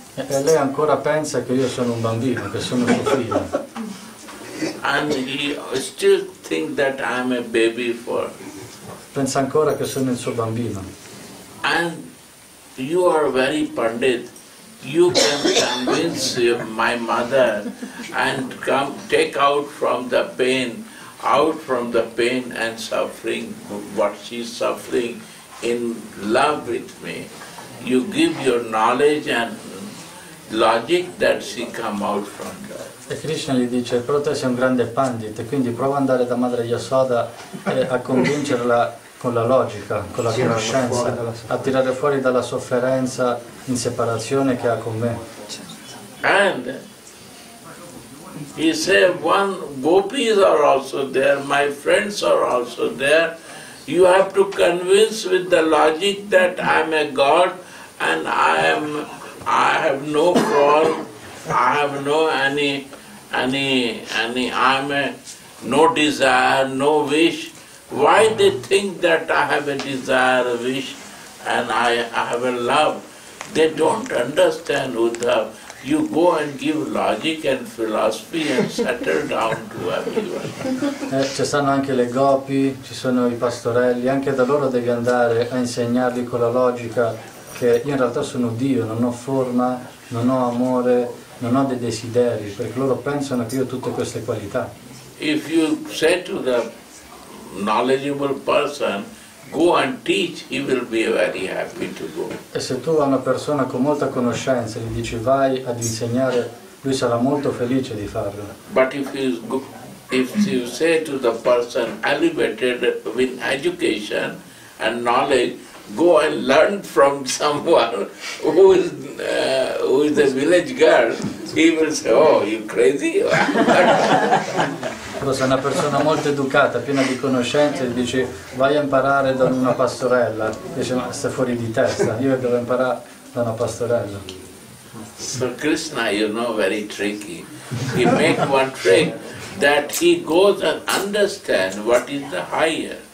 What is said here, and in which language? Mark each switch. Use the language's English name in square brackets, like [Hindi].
[Italian] E lei ancora pensa che io sono un bambino, che sono suo figlio. [English] And he still think that I'm a baby for. [Italian] Pensa ancora che sono il suo bambino. [English] And you are very pandit. You can convince my mother and come take out from the pain, and suffering what she's suffering in love with me. You give your knowledge and logic that she come out from that. [Italian] E Krishna gli dice, però te sei un grande pandit, quindi prova ad andare da Madre Yasoda a convincerla con la logica, con la conoscenza, a tirare fuori dalla sofferenza in separazione che ha con me. [English] And he said, one gopis are also there, my friends are also there. You have to convince with the logic that I am a god and I have no flaw, I have no any, I'm a no desire, no wish. Why they think that I have a desire, a wish, and I have a love? They don't understand, Uddhav. You go and give logic and philosophy and settle down to everyone. [Italian] Ci sono anche le gopi, ci sono i pastorelli, anche da loro devi andare a insegnargli con la logica che io in realtà sono Dio, non ho forma, non ho amore, non ho dei desideri, perché loro pensano che io ho tutte queste qualità. [English] If you say to the knowledgeable person, go and teach, he will be very happy to go. [Italian] E se tu a una persona con molta conoscenza gli dici vai ad insegnare, lui sarà molto felice di farlo. [English] But if you say to the person elevated with education and knowledge, go and learn from someone who is a village girl, he will say, "Oh, you crazy?" [Italian] Però se una persona molto educata, piena di conoscenze, dice vai a imparare da una pastorella, dice ma stai fuori di testa, io devo imparare da una pastorella. [English] So Krishna, you know, very tricky. He make one trick that he goes and understand what is the higher.